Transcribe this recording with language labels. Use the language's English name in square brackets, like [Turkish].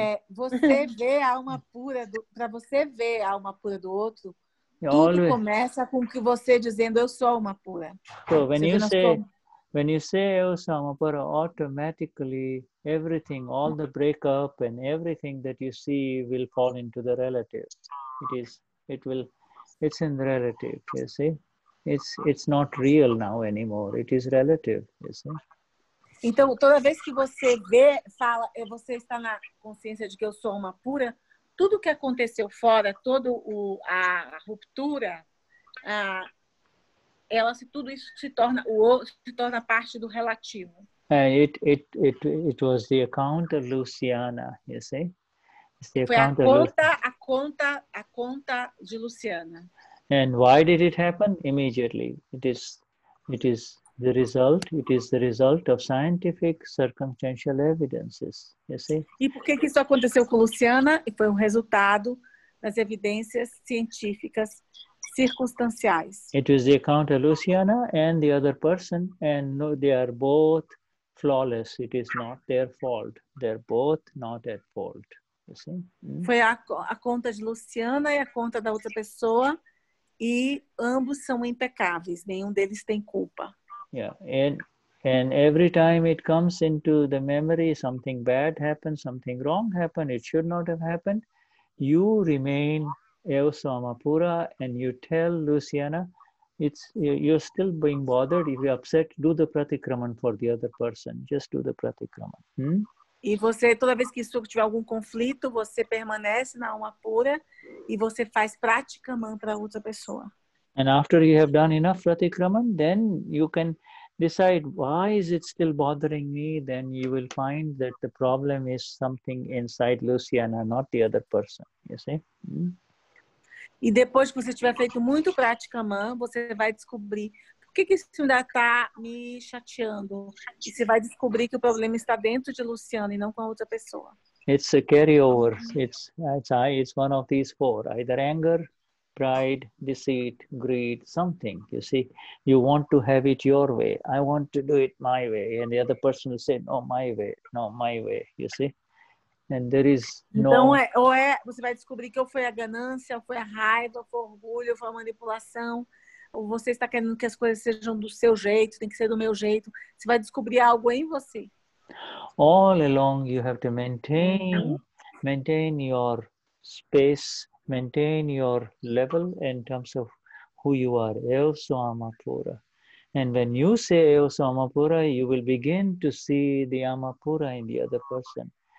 [Portuguese] Você vê a alma pura, para você ver a alma pura do outro, tudo always... começa com que você dizendo eu sou alma pura. [English] So, when you say [Portuguese] eu sou alma pura, [English] automatically everything, all the breakup and everything that you see will fall into the relative. It's in the relative, you see? It's not real now anymore. It is relative, you see? [Portuguese] Então, toda vez que você vê, fala, você está na consciência de que eu sou alma pura, tudo que aconteceu fora, toda a ruptura, ela se tudo isso se torna o outro, se torna parte do relativo. [English] It was the account of Luciana, you see? It's the account of [Portuguese] a conta de [English] Luciana. And why did it happen? Immediately. It is the result. It is the result of scientific circumstantial evidences. You see? [Portuguese] E por que que isso aconteceu com Luciana? E foi um resultado das evidências científicas circunstanciais. [English] It was the account of Luciana and the other person, and no, they are both flawless. It is not their fault. They're both not at fault. You see? Mm-hmm. [Portuguese] Foi a conta de Luciana e a conta da outra pessoa, e ambos são impecáveis. Nenhum deles tem culpa. [English] Yeah, and every time it comes into the memory, something bad happened, something wrong happened, it should not have happened, you remain [Portuguese] Eu sou Amapura, [English] and you tell Luciana, it's you're still being bothered. If you're upset, do the pratikraman for the other person. Just do the pratikraman. [Portuguese] E você, toda vez que isso tiver algum conflito, você permanece na Amapura e você faz pratikraman para outra pessoa. [English] And after you have done enough pratikraman, then you can decide, why is it still bothering me? Then you will find that the problem is something inside Luciana, not the other person. You see? [Portuguese] E depois que você tiver feito muito pratikraman, você vai descobrir por que isso ainda está me chateando. E você vai descobrir que o problema está dentro de Luciana e não com a outra pessoa. [English] It's a carryover. It's one of these four. Either anger, pride, deceit, greed, something. You see, you want to have it your way. I want to do it my way. And the other person will say, no, my way. You see? And there is no... [Portuguese] Então, você vai descobrir que ou foi a ganância, ou foi a raiva, ou foi o orgulho, ou foi a manipulação, ou você está querendo que as coisas sejam do seu jeito, tem que ser do meu jeito. Você vai descobrir algo em você. [English] All along, you have to maintain your space, maintain your level in terms of who you are. [Portuguese] Eu sou Amapura. [English] And when you say Eu sou Amapura, you will begin to see the Amapura in the other person.